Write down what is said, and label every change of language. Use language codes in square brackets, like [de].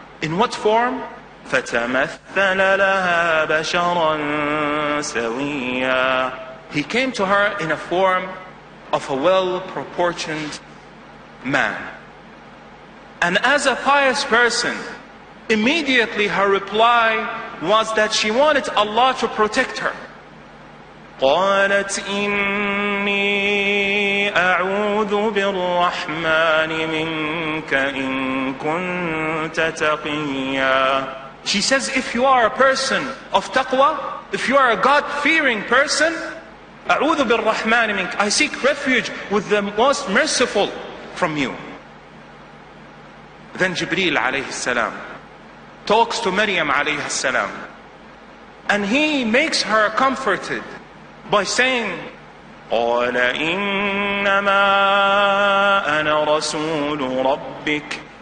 [en] In what form? [ar] فَتَمَثَّلَ لَهَا بَشَرًا سَوِيًّا, [en] He came to her in a form of a well-proportioned man. And as a pious person, immediately her reply was that she wanted Allah to protect her. [ar] قالت إني أعوذ بالرحمن منك إن كنت تقيا. [en] She says, if you are a person of taqwa, if you are a God-fearing person, [ar] أعوذ بالرحمن منك, [en] I seek refuge with the most merciful from you. Then Jibreel عليه السلام talks to Maryam عليه السلام, and he makes her comforted by saying, [ar] قال إنما أنا رسول ربك.